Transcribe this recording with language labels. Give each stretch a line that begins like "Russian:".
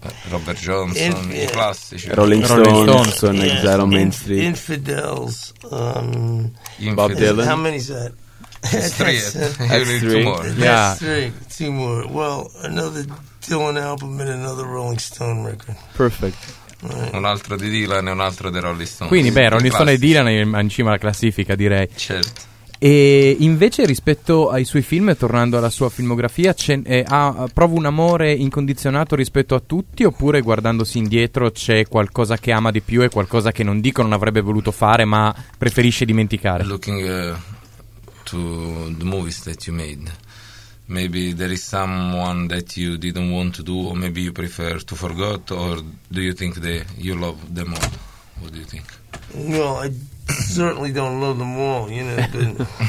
Italian: Robert Johnson, classici.
English: Rolling Stones on Exile on Main Street. Infidels. Bob Dylan. How many is that? That's three. Two more. Well, another Dylan album and another Rolling Stone record. Perfect.
Italian: Right. Un altro di Dylan e un altro di Rolling Stone. Quindi, beh, Rolling Stone e Dylan in cima alla classifica, direi. Certo. E invece rispetto ai suoi film, tornando alla sua filmografia, provo un amore incondizionato rispetto a tutti, oppure guardandosi indietro c'è qualcosa che ama di più e qualcosa che non dico non avrebbe voluto fare ma preferisce dimenticare?
English: Looking to the movies that you made, maybe there is someone that you didn't want to do, or maybe you prefer to forget, or do you think that you love them all? What do you think? Well, I certainly don't love them all, you know, but